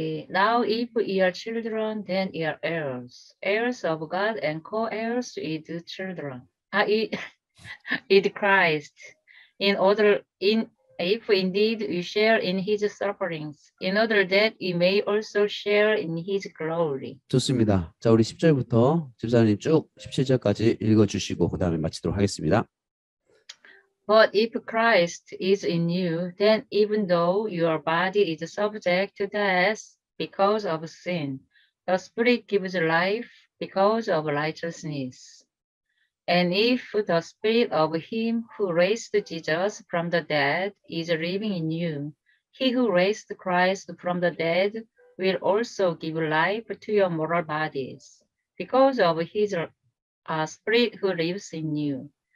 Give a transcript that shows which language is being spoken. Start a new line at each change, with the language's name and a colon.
English: Now if we are children, then we are heirs. Heirs of God and co-heirs with children. With Christ, if indeed we share in His sufferings, in order that we may also share in His glory.
Korean: 좋습니다. 자, 우리 10절부터 집사님 쭉 17절까지 읽어주시고 그 다음에 마치도록 하겠습니다.
English: But if Christ is in you, then even though your body is subject to death because of sin, the Spirit gives life because of righteousness. And if the spirit of him who raised Jesus from the dead is living in you, he who raised Christ from the dead will also give life to your mortal bodies because of his spirit who lives in you.